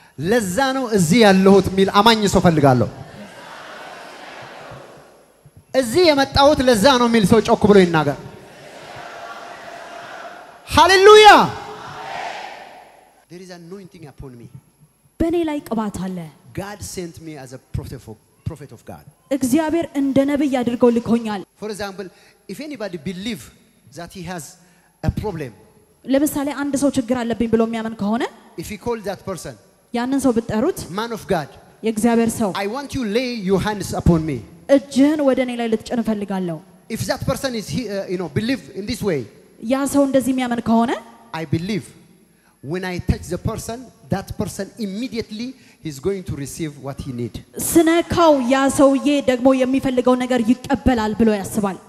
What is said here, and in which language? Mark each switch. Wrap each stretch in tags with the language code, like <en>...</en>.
<am>ለዛ ነው እዚህ ያለሁት ሚል አማኝ ሰው ፈልጋለሁ እዚህ የመጣሁት ለዛ ነው ሚል ሰው ጮክ ብሎ ይናገር hallelujah</am> <en>there is anointing upon me</en> <am>በኔ ላይ ቅባት አለ</am> <en>God sent me as a prophet of God.</en> <am>እግዚአብሔር እንደ ነብይ አድርጎ ልኮኛል.</am> <en>For example, if anybody believe that he has a problem.</en> <am>ለምሳሌ አንድ ሰው ችግር አለብኝ ብሎ የሚያምን ከሆነ</am> <en>If you call that person.</en> <am>ያንን ሰው ብትጠሩት</am> <en>man of God.</en> <am>የእግዚአብሔር ሰው.</am> <en>I want you lay your hands upon me.</en> <am>እጅህን ወደኔ ላይ ልትጭን ፈልጋለሁ.</am> <en>If that person is believe in this way.</en> <am>ያ ሰው እንደዚህ የሚያምን ከሆነ</am> <en>I believe when I touch the person that person immediately he's going to receive what he need</en> <am>ስነካው ያ ሰውዬ ደግሞ የሚፈልገው ነገር ይቀበላል ብሎ ያስባል</am>